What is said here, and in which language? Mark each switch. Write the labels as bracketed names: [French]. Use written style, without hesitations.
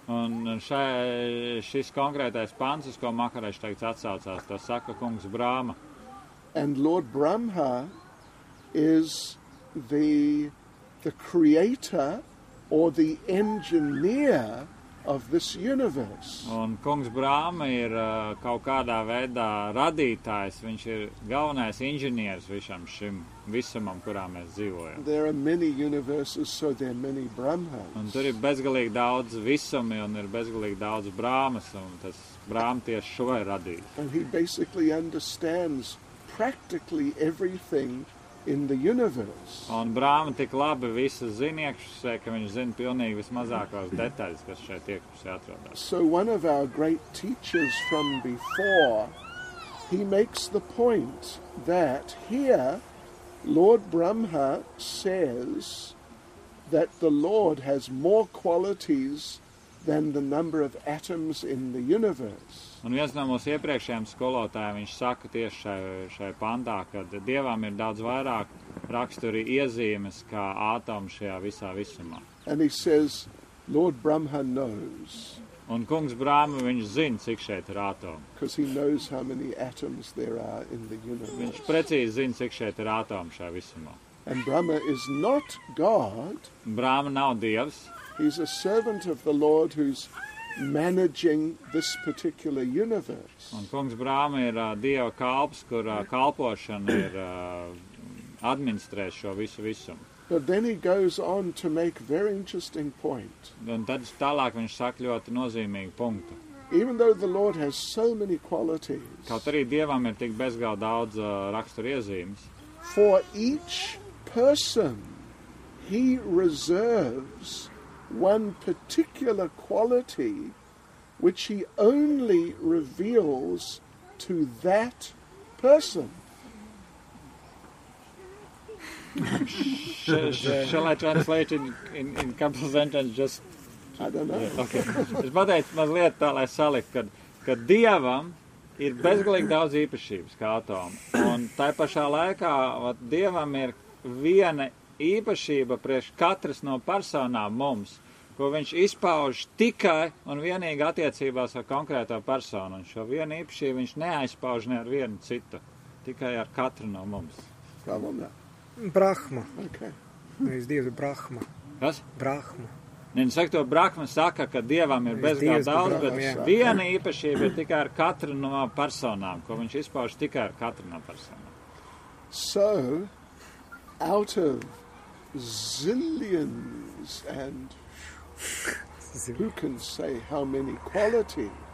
[Latvian] Un šis konkrētais pants, ko Maharaj teica, atsaucās, to saka kungs Brahma. [English] And Lord Brahma is the creator or the engineer of this universe. [Latvian] Un kungs Brahma ir kaut kādā veidā radītājs, viņš ir galvenais inženieris visam šim visumam, kurā mēs dzīvojam. [English] There are many universes, so there are many Brahmas. [Latvian] Un tur ir bezgalīgi daudz visumi un ir bezgalīgi daudz Brahmas, un tas Brahma tieši šo ir radīts. [English] And he basically understands practically everything in the universe. [Latvian] Un Brahma tik labi visu zina iekšpusē, ka viņš zina pilnīgi vismazākos detaļus, kas šeit iekšpusē atrodas. [English] So one of our great teachers from before, he makes the point that here Lord Brahma says that the Lord has more qualities than the number of atoms in the universe. [Latvian] Un viens no mūsu iepriekšējiem skolotājiem, viņš saka tieši šai pantā, ka Dievam ir daudz vairāk raksturi iezīmes kā ātomu šajā visā visumā. [English] And he says, Lord Brahma knows. [Latvian] Un kungs Brahma, viņš zina, cik šeit ir ātomu. [English] Because he knows how many atoms there are in the universe. [Latvian] Viņš precīzi zina, cik šeit ir ātomu šajā visumā. [English] And Brahma is not God. [Latvian] Brahma nav Dievs. [English] He's a servant of the Lord who's managing this particular universe. [Latvian] Un kungs Brahma ir Dieva kalps, kur kalpošana ir administrē šo visu visumu. [English] But then he goes on to make very interesting point. [Latvian] Un tad tālāk viņš saka ļoti nozīmīgu punktu. [English] Even though the Lord has so many qualities. [Latvian] Kaut arī Dievam ir tik bezgalīgi daudz raksturiezīmes. [English] For each person he reserves one particular quality which he only reveals to that person. Shall I translate in a couple of sentences? Just I don't know. Yeah, okay. [Latvian] Es pateicu mazliet tā, lai salikt, kad Dievam ir bezgalīgi daudz īpašības kā atomu. Un tai pašā laikā vat, Dievam ir viena īpašība priekš katras no personām mums, ko viņš izpauž tikai un vienīgi attiecībās ar konkrēto personu. Un šo vienu īpašību viņš neaizpauž ne ar vienu citu, tikai ar katru no mums. Brahma. Okay. Mēs Dievs ir Brahma. Kas? Brahma. Ne, nu saka, to Brahma saka, ka Dievam ir bezgalīgi daudz, bet viena īpašība ir tikai ar katru no personām, ko viņš izpauž tikai ar katru no personām. [English] So, out of zillions and who can say how many qualities?